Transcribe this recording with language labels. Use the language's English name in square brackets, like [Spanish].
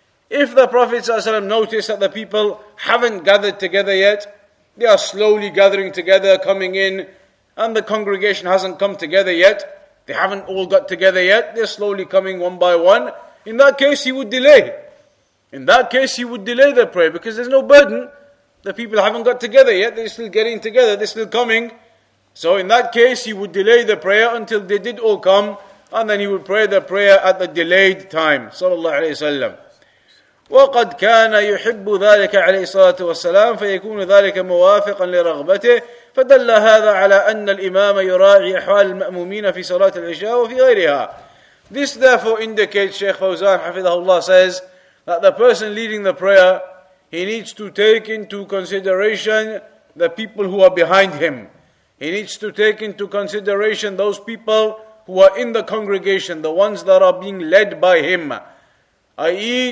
[English] If the Prophet ﷺ noticed that the people haven't gathered together yet, they are slowly gathering together, coming in, and the congregation hasn't come together yet, they haven't all got together yet, they're slowly coming one by one, in that case he would delay. In that case he would delay the prayer, because there's no burden. The people haven't got together yet, they're still getting together, they're still coming. So in that case, he would delay the prayer until they did all come, and then he would pray the prayer at the delayed time, sallallahu alayhi wa sallam. [Arabic] وقد كان يحب ذلك عليه الصلاة والسلام فيكون ذلك موافقا لرغبته فدل هذا على أن الإمام يراعي أحوال المأمومين في صلاة العشاء وفي غيرها. [English] This therefore indicates, Shaykh Fawzan حفظه الله says, that the person leading the prayer, he needs to take into consideration the people who are behind him. He needs to take into consideration those people who are in the congregation, the ones that are being led by him, i.e.